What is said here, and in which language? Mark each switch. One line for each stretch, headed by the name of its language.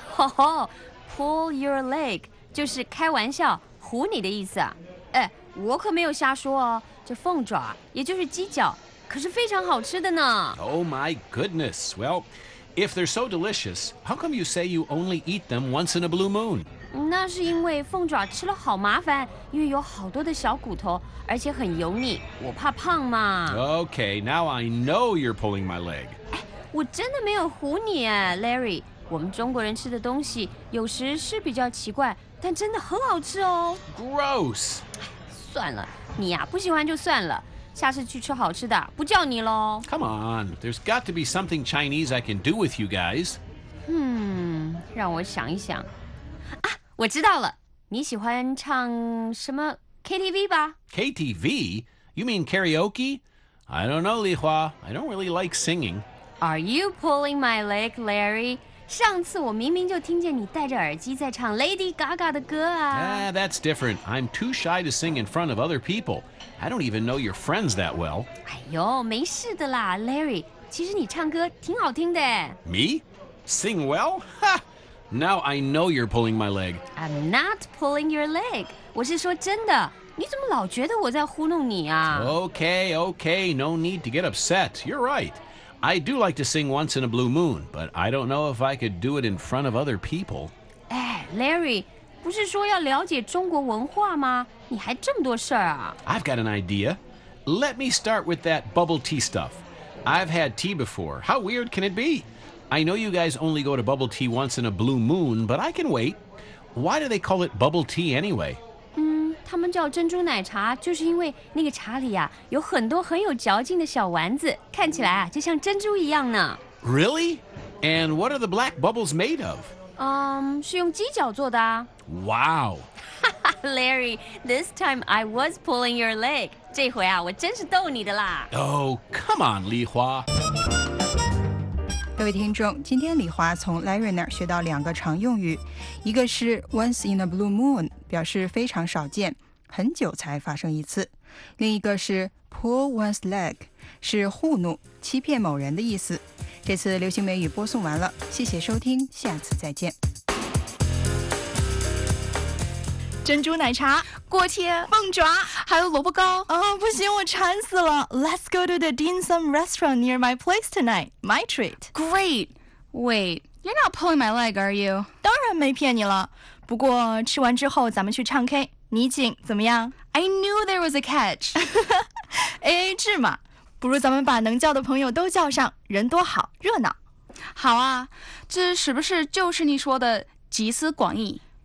English: Oh, pull your leg
Chinese: 就是开玩笑唬你的意思啊哎，我可没有瞎说哦这凤爪也就是鸡脚可是非常好吃的呢
English: Oh my goodness Well, if they're so delicious How come you say you only eat them once in a blue moon?
Chinese: 那是因为凤爪吃了好麻烦，因为有好多的小骨头，而且很油腻，我怕胖嘛。
English: Okay, now I know you're pulling my leg.
Chinese: 我真的没有唬你啊 ，Larry。我们中国人吃的东西有时是比较奇怪，但真的很好吃哦。
English: Gross.
Chinese: 算了，你呀、啊、不喜欢就算了。下次去吃好吃的，不叫你喽。
English: Come on, there's got to be something Chinese I can do with you guys.
Chinese: 让我想一想。啊，我知道了，你喜欢唱什么 KTV 吧
English: ？KTV? You mean karaoke? I don't know, Li Hua. I don't really like singing. Are you pulling my leg, Larry?
Chinese: 上次我明明就听见你戴着耳机在唱 Lady Gaga 的歌啊。
English: That's different. I'm too shy to sing in front of other people. I don't even know your friends that well.
Chinese: 哎呦，没事的啦 ，Larry。其实你唱歌挺好听的。
English: Me? Sing well? Ha! Now I know you're pulling my leg. I'm not pulling your leg.
Chinese: 我是说真的。你怎么老觉得我在糊弄你啊
English: ？Okay, okay. No need to get upset. You're right. I do like to sing once in a blue moon, but I don't know if I could do it in front of other people.
Chinese: 哎 ，Larry。不是说要了解中国文化吗？你还这么多事儿啊
English: ！I've got an idea. Let me start with that bubble tea stuff. I've had tea before. How weird can it be? I know you guys only go to bubble tea once in a blue moon, but I can wait. Why do they call it bubble tea anyway?
Chinese: 他们叫珍珠奶茶，就是因为那个茶里啊有很多很有嚼劲的小丸子，看起来啊就像珍珠一样呢。
English: Really? And what are the black bubbles made of?
Chinese: 是用鸡脚做的啊。
English: Wow. Larry, this time I was pulling your leg.
Chinese: 这回啊，我真是逗你的啦。
English: Oh, come on, Li Hua.
Chinese: 各位听众，今天李华从 Larry 那儿学到两个常用语，一个是
English: once in a blue moon，
Chinese: 表示非常少见，很久才发生一次；另一个是
English: pull one's leg，
Chinese: 是糊弄、欺骗某人的意思。这次流行美语播送完了，谢谢收听，下次再见。珍珠奶茶、锅贴、凤爪，还有萝卜糕。哦，不行，我馋死了。
English: Let's go to the dim sum restaurant near my place tonight. My treat. Great. Wait, you're not pulling my leg, are you?
Chinese: 当然没骗你了。不过吃完之后咱们去唱 K， 你请怎么样
English: ？I knew there was a catch.
Chinese: AA 制嘛。不如咱们把能叫的朋友都叫上，人多好，热闹。好啊，这是不是就是你说的集思广益？